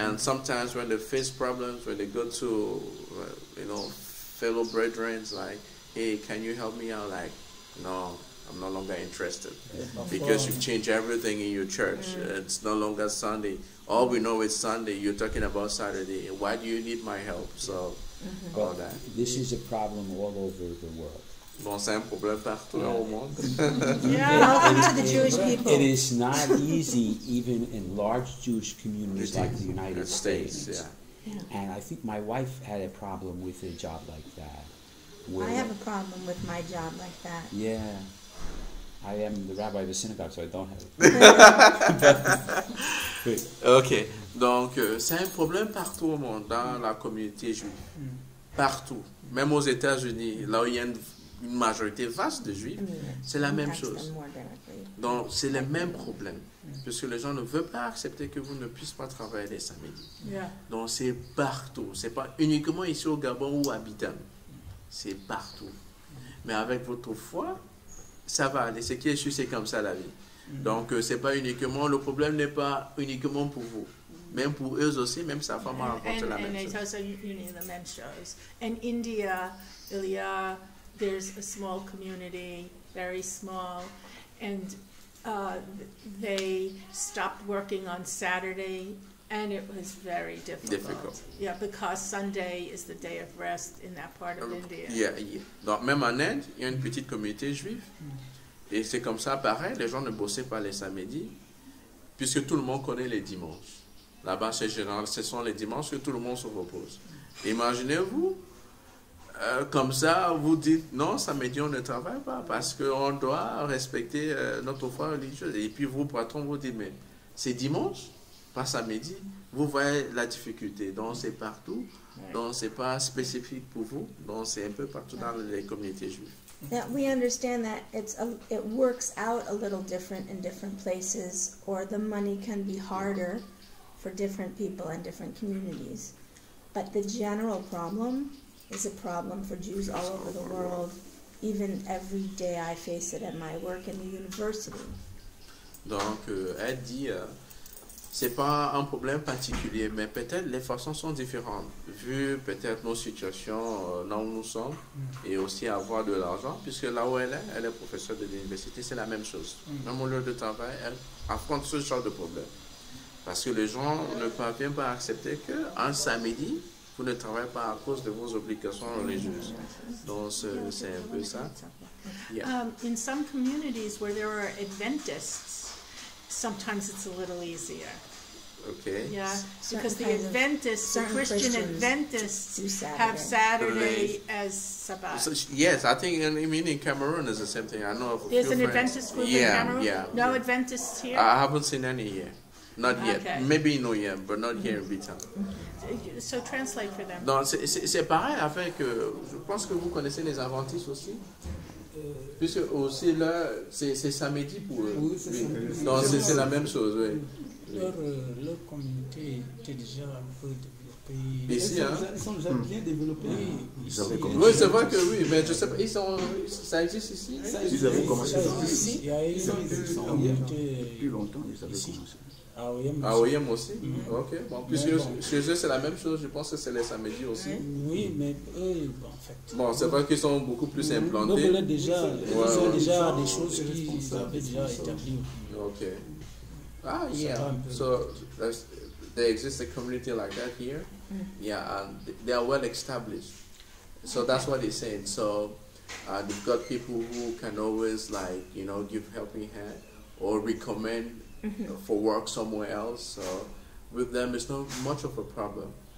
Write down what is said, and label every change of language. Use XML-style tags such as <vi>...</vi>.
<en>And sometimes when they face problems, when they go to, fellow brethren, like, hey, can you help me out? Like, no, I'm no longer interested. Because you've changed everything in your church. Mm-hmm. It's no longer Sunday. All we know is Sunday. You're talking about Saturday. Why do you need my help? So, mm-hmm. all that. This is a problem all over the world.</en> <fr>Bon, c'est un problème partout dans le monde.</fr> <en>It is not easy even in large Jewish communities like the United States. And I think my wife had a problem with a job like that. I have a problem with my job like that. Yeah. I am the rabbi of the synagogue, so I don't have it. Okay.</en> <fr>Donc, c'est un problème partout au monde, dans la communauté juive. Partout. Même aux États-Unis, là où il y a une majorité vaste de juifs, c'est la même chose. Donc, c'est le même problème. Parce que les gens ne veulent pas accepter que vous ne puissiez pas travailler les samedis.</fr> <en>Yeah.</en> <fr>Donc, c'est partout. C'est pas uniquement ici au Gabon ou à Bidam. C'est partout. Mais avec votre foi, ça va aller. Ce qui est sûr, c'est comme ça la vie. Donc, c'est pas uniquement, le problème n'est pas uniquement pour vous. Même pour eux aussi, même sa femme a rencontré la même chose. En India, il y a.</fr> <en>There's a small community, very small, and they stopped working on Saturday, and it was very difficult. Yeah, because Sunday is the day of rest in that part of India.</en> <fr>Donc même en Inde, il y a une petite communauté juive, et c'est comme ça, pareil, les gens ne bossaient pas les samedis, puisque tout le monde connaît les dimanches. Là-bas, c'est général, ce sont les dimanches que tout le monde se repose. Imaginez-vous, comme ça, vous dites, non, samedi, on ne travaille pas parce qu'on doit respecter notre foi religieuse. Et puis, vos patrons vous disent, mais c'est dimanche, pas samedi. Vous voyez la difficulté. Donc, c'est partout. Donc, ce n'est pas spécifique pour vous. Donc, c'est un peu partout dans les communautés juives.</fr> <en>Now, we understand that it works out a little different in different places, or the money can be harder for different people and different communities. But the general problem is a problem for Jews all over the world. Even every day I face it at my work in the university. Donc, elle dit, c'est pas un problème particulier, mais peut-être les façons sont différentes, vu peut-être nos situations, là où nous sommes, et aussi avoir de l'argent, puisque là où elle est professeure de l'université, c'est la même chose. Même au lieu de travail, elle affronte ce genre de problème. Parce que les gens ne parviennent pas à accepter qu'un samedi, vous ne travaillez pas à cause de vos obligations religieuses. Donc, c'est un peu ça. In some communities where there are Adventists, sometimes it's a little easier. Okay. Yeah, because the Adventists, the Christian Adventists, have Saturday as Sabbath. So, yes, I think in Cameroon is the same thing. I know of a few friends. There's an Adventist group in Cameroon? Yeah. No yeah. Adventists here? I haven't seen any here. Not yet. Okay. Maybe in Oyem, but not here in Bitan. So translate for them.</en> <fr>Non, c'est pareil avec. Je pense que vous connaissez les Adventistes aussi. Puisque aussi là, c'est samedi pour eux. Oui, c'est samedi. Non, c'est la même chose, oui. Leur communauté était déjà un peu développée. Ici, hein. Ils sont déjà bien développés. Mmh. Ils avaient commencé. Oui, c'est vrai que oui, mais je sais pas. Ils sont, ça existe ici. Ils avaient commencé ici. Ils avaient commencé plus longtemps, ils avaient commencé. Ah oui, moi aussi. Mm-hmm. Ok. Bon, puisque chez eux, c'est la même chose. Je pense que c'est les samedis aussi. Oui, mais eux, en fait. Bon, c'est vrai qu'ils sont beaucoup plus implantés. Ils ont déjà, des choses qu'ils avaient déjà établies.</fr> <en>Ok. Ah, yeah. So, there exists a community like that here. Yeah, and they are well established. So, that's what they're saying. So, they've got people who can always, like, you know, give helping hand or recommend for work somewhere else, so with them it's not much of a problem.</en>